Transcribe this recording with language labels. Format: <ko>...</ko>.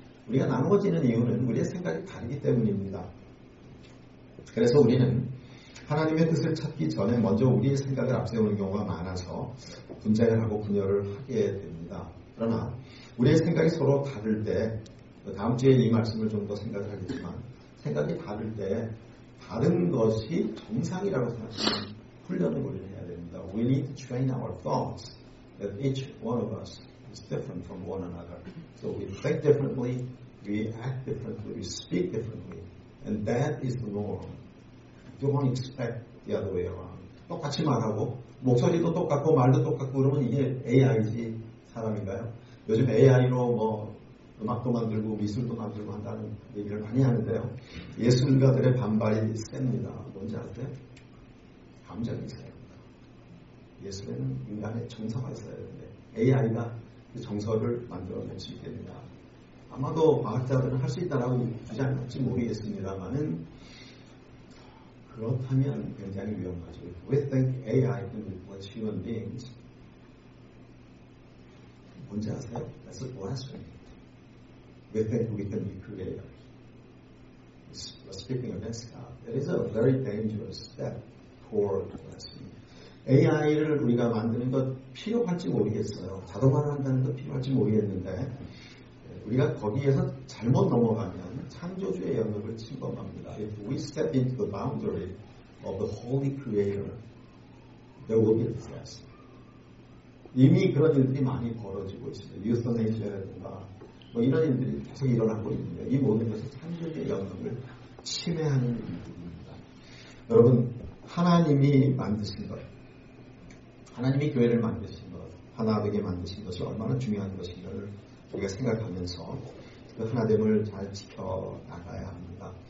<ko>우리가 나누어지는 이유는 우리의 생각이 다르기 때문입니다. 그래서 우리는 하나님의 뜻을 찾기 전에 먼저 우리의 생각을 앞세우는 경우가 많아서 분쟁을 하고 분열을 하게 됩니다. 그러나 우리의 생각이 서로 다를 때 다음 주에 이 말씀을 좀 더 생각을 하겠지만 생각이 다를 때 다른 것이 정상이라고 생각합니다. 훈련을 해야 됩니다.</ko> <en>We need to train our thoughts that each one of us is different from one another. So we think differently, we act differently, we speak differently. And that is the norm. Don't expect the other way around.</en> <ko>똑같이 말하고, 목소리도 똑같고, 말도 똑같고, 그러면 이게 AI지 사람인가요? 요즘 AI로 뭐 음악도 만들고 미술도 만들고 한다는 얘기를 많이 하는데요. 예술가들의 반발이 셉니다. 뭔지 아세요? 감정이 있어야 합니다. 예술에는 인간의 정서가 있어야 되는데 AI가 그 정서를 만들어낼 수 있게 됩니다. 아마도 과학자들은 할 수 있다고 주장할지 모르겠습니다만 그렇다면 굉장히 위험하죠.</ko> <en>We think AI can replace human beings.</en> <ko>뭔지 아세요?</ko> <en>That's a blasphemy. We think we can be creators. Speaking of this, it is a very dangerous step. for</en> <ko>같습니다. AI를 우리가 만드는 것 필요할지 모르겠어요. 자동화를 한다는 것 필요할지 모르겠는데 우리가 거기에서 잘못 넘어가면 창조주의 영역을 침범합니다.</ko> <en>If we step into the boundary of the holy creator, there will be disaster.</en> <ko>이미 그런 일들이 많이 벌어지고 있습니다. 유스턴에이시아라든가 뭐 이런 일들이 계속 일어나고 있는데 이 모든 것이 창조주의 영역을 침해하는 일들입니다. 여러분, 하나님이 만드신 것, 하나님이 교회를 만드신 것, 하나되게 만드신 것이 얼마나 중요한 것인가를 우리가 생각하면서 그 하나됨을 잘 지켜나가야 합니다.</ko>